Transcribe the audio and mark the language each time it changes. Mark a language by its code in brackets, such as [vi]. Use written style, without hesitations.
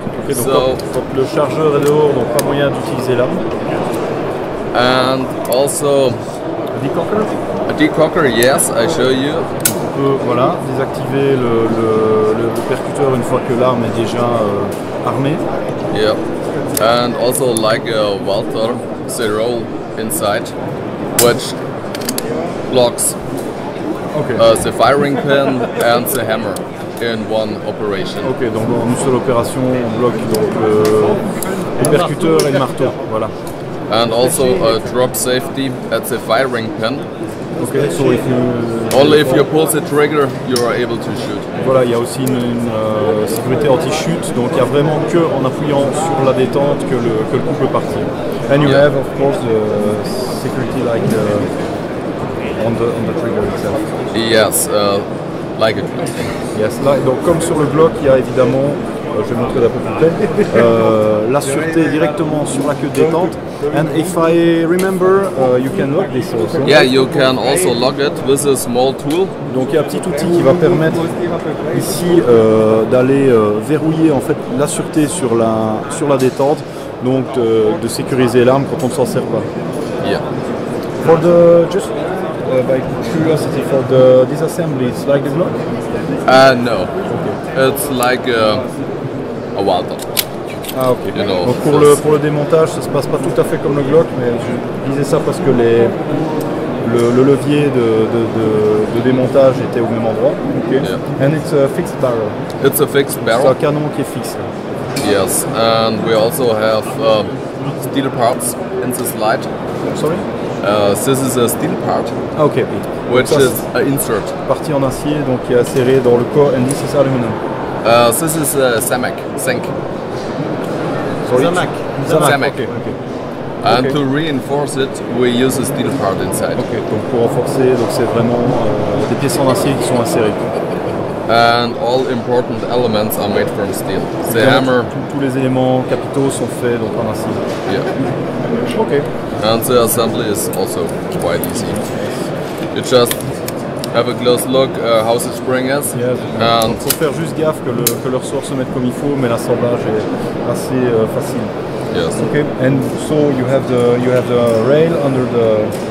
[fr] Okay, donc so quand le chargeur est dehors, donc pas moyen d'utiliser l'arme. [en] And also a decocker. A decocker, yes, I show you. [fr] On peut voilà désactiver le percuteur une fois que l'arme est déjà armée. Yeah. [en] And also like a welter, they roll inside, which locks the firing pin and the hammer in one operation. [fr] Okay, donc en une seule opération, on bloque donc le percuteur et le marteau, voilà. [en] And also a drop safety at the firing pin. Okay, so if you only if you pull the trigger, you are able to shoot. [fr] Voilà, il y a aussi une sécurité anti-chute, donc il y a vraiment que en appuyant sur la détente que le coup peut partir. [en] And you have of course the security like on the trigger itself. Yes, like it. Yes, like, [fr] donc comme sur le bloc, il y a évidemment, je vais montrer d'un peu plus près, la sûreté directement sur la queue de détente. [en] And if I remember, you can lock this also. Yeah, you can also lock it with a small tool. [fr] Donc il y a un petit outil qui va permettre ici d'aller verrouiller en fait la sûreté sur la détente, donc de sécuriser l'arme quand on ne s'en sert pas. Yeah. [en] For the just by curiosity for the disassembly, it's like a Glock? No. Okay. It's like a Walter. Ah ok. [fr] Donc pour le démontage, ça se passe pas tout à fait comme le Glock, mais je disais ça parce que le levier de démontage était au même endroit. Okay. Yeah. [en] And it's a fixed barrel. It's a fixed barrel. [fr] C'est un canon qui est fixe. [en] Yes, and we also have steel parts in the slide. Sorry. This is a steel part. Okay. Which is an insert. [fr] Partie en acier donc qui est insérée dans le corps. [en] And this is aluminum. This is a Samac. Zinc. Sorry. Samac. Okay. And to reinforce it, we use a steel part inside. Okay. [fr] Donc pour renforcer, donc c'est vraiment des pièces en acier qui sont insérées. [en] And all important elements are made from steel. The hammer. [fr] Tous les éléments capitaux sont faits donc en acier. Yeah. Okay. [en] And the assembly is also quite easy. You just have a close look how the spring is. Yeah. [fr] Il faut faire juste gaffe que le ressort se mette comme il faut, mais l'assemblage est assez facile. [en] Yes. Okay. And so you have the rail under the.